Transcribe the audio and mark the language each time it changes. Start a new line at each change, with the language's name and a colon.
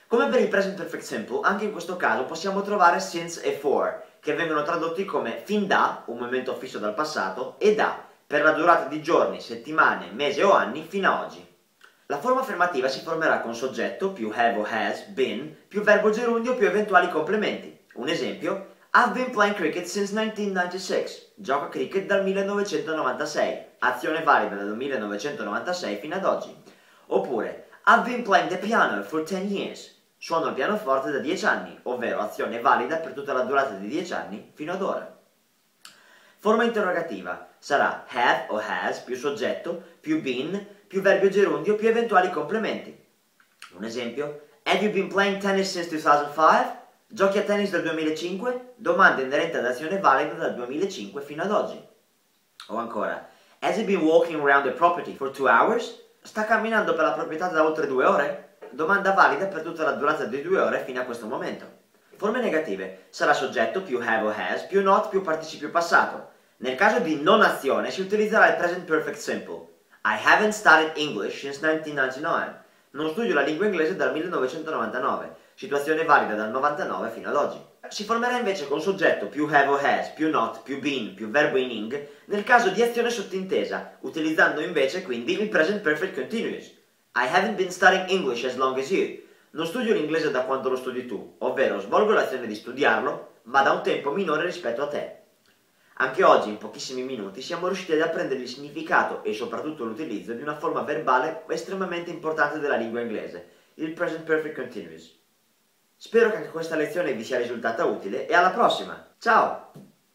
Italian: Come per il Present Perfect Simple, anche in questo caso possiamo trovare since e for, che vengono tradotti come fin da, un momento fisso dal passato, e da, per la durata di giorni, settimane, mesi o anni, fino a oggi. La forma affermativa si formerà con soggetto, più have o has, been, più verbo gerundio, più eventuali complementi. Un esempio,
English: I've been playing cricket since 1996.
Italian: Gioco a cricket dal 1996. Azione valida dal 1996 fino ad oggi. Oppure,
English: I've been playing the piano for 10 years.
Italian: Suono il pianoforte da 10 anni, ovvero azione valida per tutta la durata di 10 anni fino ad ora. Forma interrogativa sarà have o has più soggetto più been più verbo gerundio più eventuali complementi. Un esempio,
English: Have you been playing tennis since 2005?
Italian: Giochi a tennis dal 2005? Domanda inerente ad azione valida dal 2005 fino ad oggi. O ancora,
English: Has he been walking around the property for 2 hours?
Italian: Sta camminando per la proprietà da oltre 2 ore? Domanda valida per tutta la durata di 2 ore fino a questo momento. Forme negative. Sarà soggetto più have o has, più not, più participio passato. Nel caso di non azione si utilizzerà il present perfect simple.
English: I haven't studied English since 1999.
Italian: Non studio la lingua inglese dal 1999. Situazione valida dal 99 fino ad oggi. Si formerà invece con soggetto più have o has, più not, più been, più verbo ening, nel caso di azione sottintesa, utilizzando invece quindi il present perfect continuous.
English: I haven't been studying English as long as you.
Italian: Non studio l'inglese da quando lo studi tu, ovvero svolgo l'azione di studiarlo, ma da un tempo minore rispetto a te. Anche oggi, in pochissimi minuti, siamo riusciti ad apprendere il significato e soprattutto l'utilizzo di una forma verbale estremamente importante della lingua inglese, il present perfect continuous. Spero che anche questa lezione vi sia risultata utile e alla prossima. Ciao!